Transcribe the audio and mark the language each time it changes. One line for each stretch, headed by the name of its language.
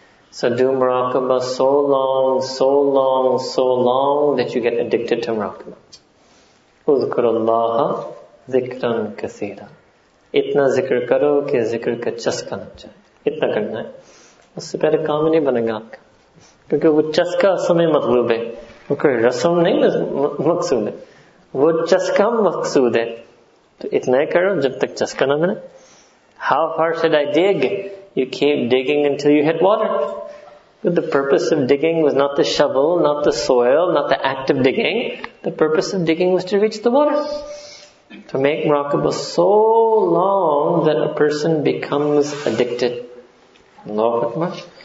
English: So do muraqabah so long, so long, so long that you get addicted to muraqabah.
Arabic: Udhkurullaha zikran kaseera.
Urdu: اتنا ذکر کرو کہ ذکر کا چسکا نہ چاہے۔ اتنا کرنا ہے۔ اس سے پہلے کام نہیں بنے گا آپکا۔ کیونکہ وہ چسکا سمے مطلوب ہے۔ وہ کوئی رسم نہیں مقصود ہے۔ وہ چسکا مقصود ہے۔ تو اتنا کرو جب تک چسکا نہ ملے۔
English: How far should I dig? You keep digging until you hit water. But the purpose of digging was not the shovel, not the soil, not the act of digging. The purpose of digging was to reach the water. To make muraqabah so long that a person becomes addicted. Allahu Akbar.